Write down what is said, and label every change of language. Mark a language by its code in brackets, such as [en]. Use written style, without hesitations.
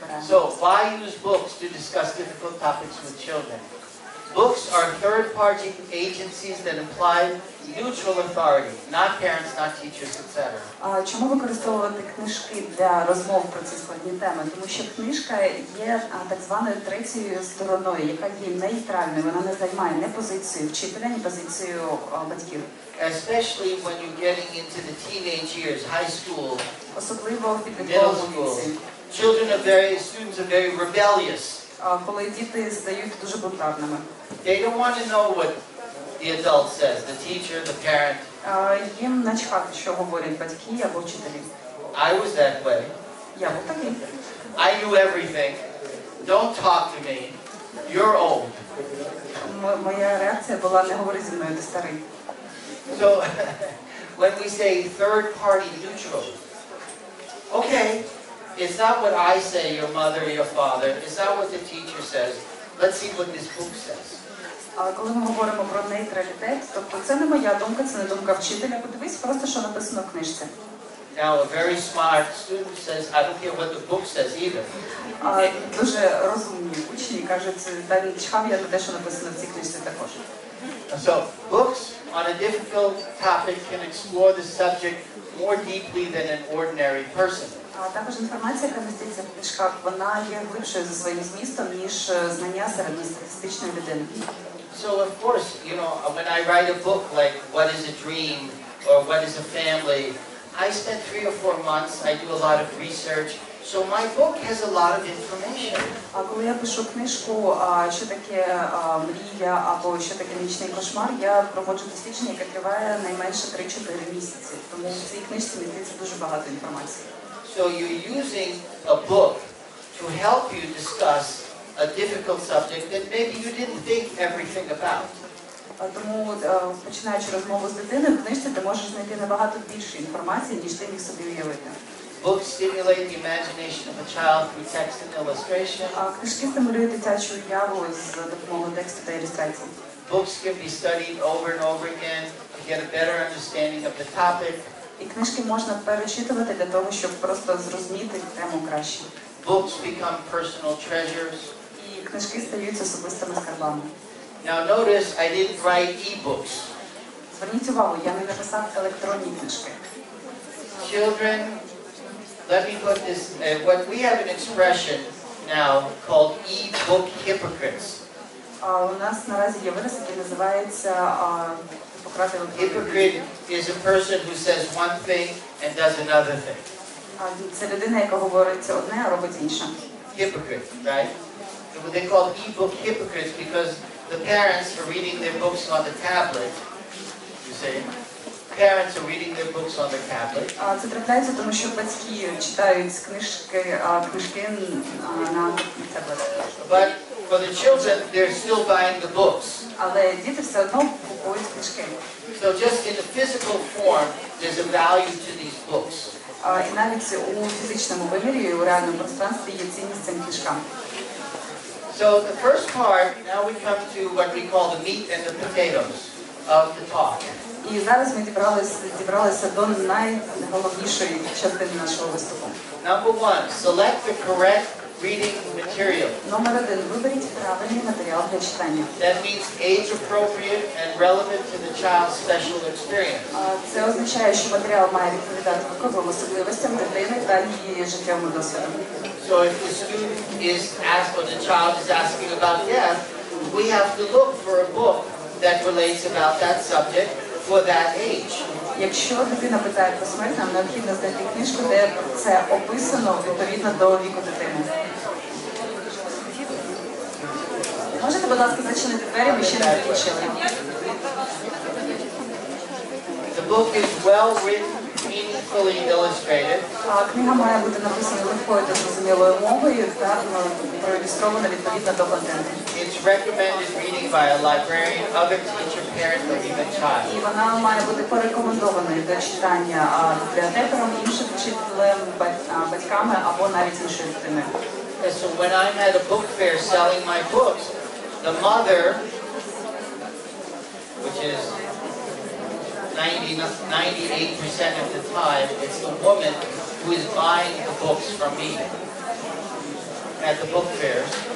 [en] So why use books to discuss difficult topics with children? Books are third-party agencies that imply neutral authority, not parents, not teachers, etc. [uk] Чому використовувати книжки для розмов про ці складні теми? Тому що книжка є так званою третьою стороною, яка є нейтральною, вона не займає ні позицію вчителя, ні позицію батьків. [en] Especially when you're getting into the teenage years, high school, [uk] особливо в підлітковому віці. [en] Children are very, students are very rebellious. [uk] Коли діти стають дуже бунтарними. [en] They don't want to know what the adult says, the teacher, the parent. [uk] Їм начхати, що говорять батьки або вчителі. [en] I was that way. [uk] Я був такий. [en] I knew everything. Don't talk to me. You're old. [uk] Моя реакція була, не говори зі мною, ти старий. [en] So, when we say third party neutral, okay, it's not what I say, your mother, your father, it's not what the teacher says. Let's see what this book says. [uk] Коли ми говоримо про нейтралітет, тобто це не моя думка, це не думка вчителя, подивись просто, що написано в книжці. [en] Now a very smart student says, I don't care what the book says either. [uk] Дуже розумні учні кажуть, чхав я на те, що написано в цій книжці також. [en] So, books on a difficult topic can explore the subject more deeply than an ordinary person. [uk] Також інформація, яка міститься в книжках, вона є глибшою за своїм змістом, ніж знання середньостатистичної людини. [en] So of course, you know, when I write a book like What is a Dream or What is a Family, I spent 3 or 4 months, I do a lot of research, so my book has a lot of information. [uk] А коли я пишу книжку, що таке мрія або що таке нічний кошмар, я проводжу дослідження, яке триває найменше 3-4 місяці. Тому в цій книжці міститься дуже багато інформації. [en] So you're using a book to help you discuss a difficult subject that maybe you didn't think everything about. [uk] Тому, починаючи розмову з дитиною, в книжці ти можеш знайти набагато більше інформації, ніж ти міг собі уявити. [en] Books stimulate the imagination of a child through text and illustration. [uk] Книжки стимулюють дитячу уяву з допомогою тексту та ілюстрацій. [en] Books can be studied over and over again to get a better understanding of the topic. [uk] І книжки можна перечитувати для того, щоб просто зрозуміти тему краще. [en] Books become personal treasures. [uk] І книжки стають особистими скарбами. [en] Now notice I didn't write e-books. [uk] Зверніть увагу, я не написав електронні книжки. [en] Children, let me put this, what we have an expression now called e-book hypocrites. [uk] У нас наразі є вираз, який називається [en] hypocrite. Hypocrite is a person who says one thing and does another thing. [uk] Це людина, яка говорить одне, а робить інше. [en] Hypocrite, right? They call e-book hypocrites because the parents are reading their books on the tablet. You see? Parents are reading their books on the tablet. [uk] Це трапляється, тому що батьки читають книжки на таблеті. [en] But for the children, they're still buying the books. [uk] Але діти все одно купують книжки. [en] So just in the physical form, there's a value to these books. [uk] І навіть у фізичному вимірі, у реальному пространстві є цінність цим книжкам. [en] So the first part, now we come to what we call the meat and the potatoes of the talk. [uk] І зараз ми зібралися до найголовнішої частини нашого виступу. [en] Number one, select the correct reading material. [uk] Номер один, виберіть правильний матеріал для читання. [en] That means age appropriate and relevant to the child's special experience. [uk] Це означає, що матеріал має відповідати виховним особливостям дитини та її життєвому досвіду. [en] So if the student is asked, or the child is asking about death, we have to look for a book that relates about that subject for that age. [uk] Якщо дитина питає про смерть, нам необхідно знайти книжку, де це описано відповідно до віку дитини. Можете, будь ласка, зачинити двері, ми ще не закінчили. [en] The book is well written. Meaningfully illustrated. [uk] Книга має бути написана легкою та зрозумілою мовою, та проілюстрована відповідно до контенту. [en] It's recommended reading by a librarian, other teacher, parent, or even child. [uk] І вона має бути порекомендованою для читання бібліотекарем, іншим вчителем, батьками або навіть іншою дитиною. [en] So when I'm at a book fair selling my books, the mother, which is 98% of the time, it's the woman who is buying the books from me at the book fairs.